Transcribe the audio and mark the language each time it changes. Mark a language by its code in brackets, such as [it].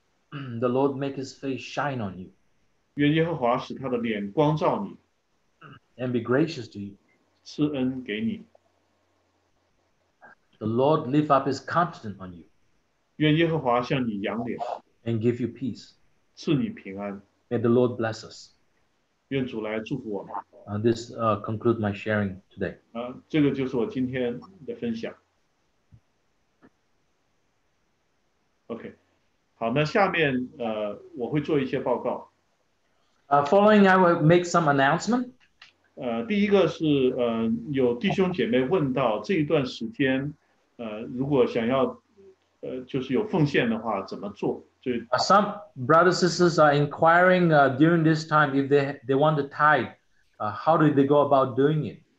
[en] The Lord make his face shine on you. [zh] 愿耶和华使他的脸光照你。 [en] And be gracious to you. [zh] 赐恩给你。 [en] The Lord lift up his countenance on you. [zh] 愿耶和华向你扬脸。 [en] And give you peace. [zh] 赐你平安。 [en] May the Lord bless us. [zh] 愿主来祝福我们。 [en] This conclude my sharing today. [zh] 这个就是我今天的分享。 [en] Okay. [zh] 好，那下面 我会做一些报告。 [en] Following, I will make some announcement. [zh] 第一个是 有弟兄姐妹问到这一段时间 如果想要 就是有奉献的话怎么做。 [en] Some brothers and sisters are inquiring during this time if they want to tithe, how do they go about doing it?